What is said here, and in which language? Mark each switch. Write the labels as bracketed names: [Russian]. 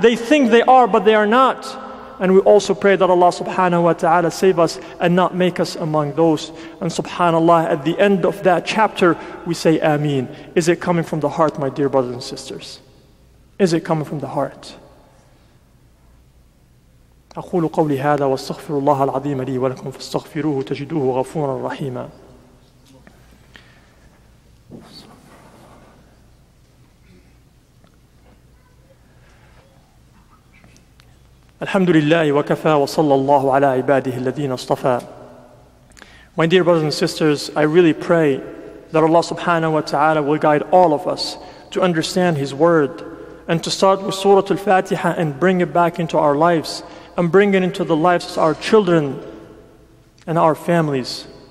[English] They think they are, but they are not. And we also pray that Allah subhanahu wa ta'ala save us and not make us among those. And subhanallah, at the end of that chapter, we say Ameen. Is it coming from the heart, my dear brothers and sisters? Is it coming from the heart? [Arabic] أقول قولي هذا واستغفر الله العظيم لي ولكم فاستغفروه تجدوه غفورا رحيما الحمد لله وكفى وصلى الله على عباده الذين اصطفى. [English] My dear brothers and sisters, I really pray that Allah subhanahu wa ta'ala will guide all of us to understand His word and to start with Surah Al-Fatiha and bring it back into our lives and bring it into the lives of our children and our families.